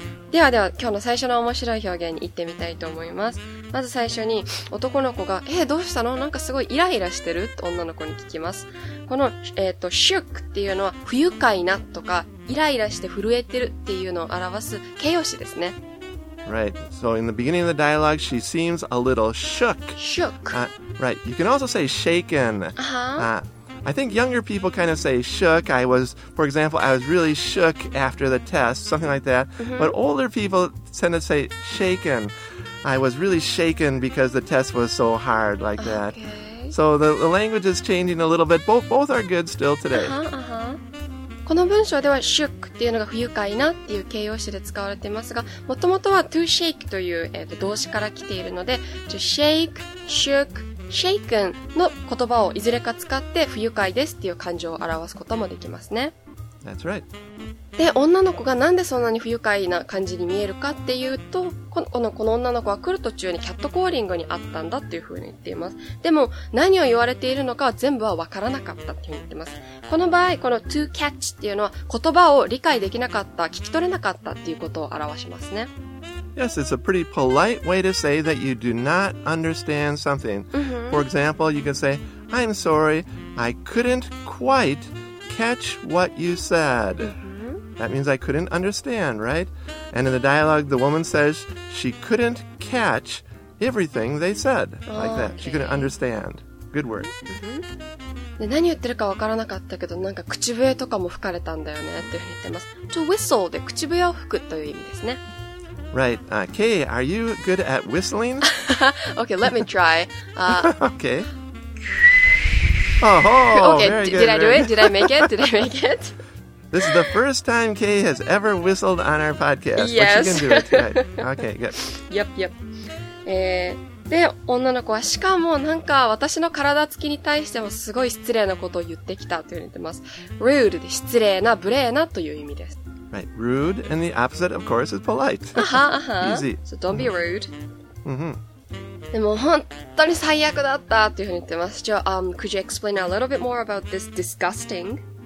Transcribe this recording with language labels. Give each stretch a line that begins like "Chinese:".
Japanese: ではでは今日の最初の面白い表現に行ってみたいと思います。まず最初に男の子が、どうしたの？なんかすごいイライラしてる？と女の子に聞きます。この、shook っていうのは不愉快なとかイライラして震えてるっていうのを表す形容詞ですね。
English: Right. So in the beginning of the dialogue, she seems a little shook. Shook. Right. You can also say shaken. Uh-huh. I think younger people kind of say shook. I was, for example, I was really shook after the test, something like that. Mm-hmm. But older people tend to say shaken. I was really shaken because the test was so hard like that. Okay. So the language is changing a little bit. Both are good still today.
Japanese: この文章では shook っていうのが不愉快なっていう形容詞で使われていますが、もともとは to shake という、動詞から来ているので、
English: to shake, shook, shaken
Japanese: の言葉をいずれか使って不愉快ですっていう感情を表すこともできますね。
English: That's right.
Japanese: で、女の子がなんでそんなに不愉快な感じに見えるかっていうと、この女の子は来る途中にキャットコーリングにあったんだっていうふうに言っています。でも、何を言われているのかは全部はわからなかったっていうふうに言ってます。この場合、この to catch っていうのは言葉を理解できなかった、聞き取れなかったっていうことを表しますね。
English: Yes, it's a pretty polite way to say that you do not understand something. For example, you can say, I'm sorry, I couldn't quite catch what you said. That means I couldn't understand, right? And in the dialogue, the woman says she couldn't catch everything they said. Like that. She couldn't understand. Good word.
Japanese: で、何言ってるかわからなかったけど、なんか口笛とかも吹かれたんだよねっていうふうに言ってます。
English: To whistle
Japanese: で口笛を吹くという意味ですね。
English: Right. Kay, are you good at whistling? Okay, let me try. Okay. Oh, okay, very good, Did I make it? This is the first time Kay has ever whistled on our podcast. Yes. But she can do it tonight. Okay, good. Yep.
Japanese: で、女の子は、しかもなんか私の体つきに対してもすごい失礼なことを言ってきたというふうに言ってます。 Rude で失礼な、無礼なという意味です。
English: Right. Rude and the opposite, of course, is polite. Easy. So don't be rude. Mm-hmm.
Japanese: でも本当に最悪だったというふうに言ってます。
English: Could you explain a little bit more about this disgusting?